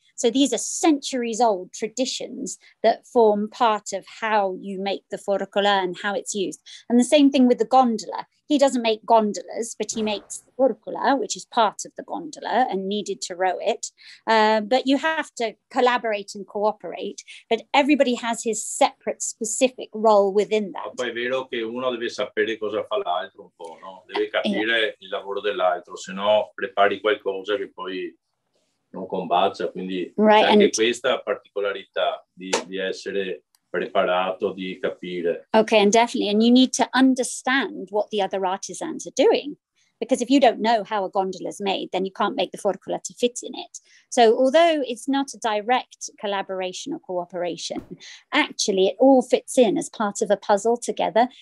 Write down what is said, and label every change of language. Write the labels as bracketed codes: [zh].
[en] So these are centuries old traditions that form part of how you make the forcola and how it's used. And the same thing with the gondola. He doesn't make gondolas, but he makes forcola, which is part of the gondola and needed to row it. But you have to collaborate and cooperate, but everybody has his separate specific role within that. [it] Poi è vero che uno deve sapere cosa fa l'altro un po', no? Deve capire il lavoro dell'altro, se no prepari qualcosa che poi non combacia. Quindi [en] right, [it] c'è anche questa particolarità di essere preparato, di capire. [en] Okay, and definitely, and you need to understand what the other artisans are doing. Because if you don't know how a gondola is made, then you can't make the forcola to fit in it. So although it's not a direct collaboration or cooperation, actually it all fits in as part of a puzzle together.